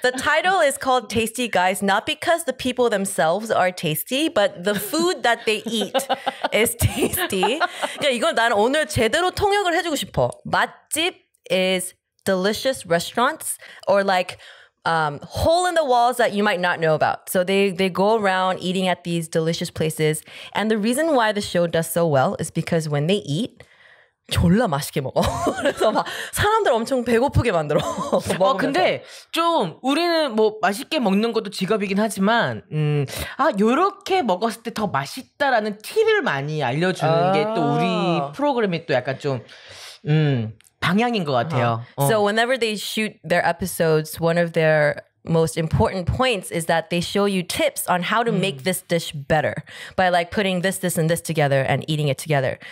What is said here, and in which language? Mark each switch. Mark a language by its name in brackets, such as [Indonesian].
[English] The title is called Tasty Guys, not because the people themselves are tasty, but the food that they eat is tasty. [Korean] 그러니까 이건 난 오늘 제대로 통역을 해주고 싶어. [English] 맛집 is delicious restaurants or like hole in the walls that you might not know about. So they go around eating at these delicious places. And the reason why the show does so well is because when they eat, [Korean] 졸라 맛있게 먹어. 그래서 막 사람들 엄청 배고프게 만들어. 근데 좀 우리는 뭐 맛있게 먹는 것도 직업이긴 하지만 요렇게 먹었을 때 더 맛있다라는 팁을 많이 알려주는 게 또 우리 프로그램이 또 약간 좀 방향인 것 같아요. [English] So whenever they shoot their episodes, one of their most important points is that they show you tips on how to make this dish better by like putting this, this, and this together and eating it together.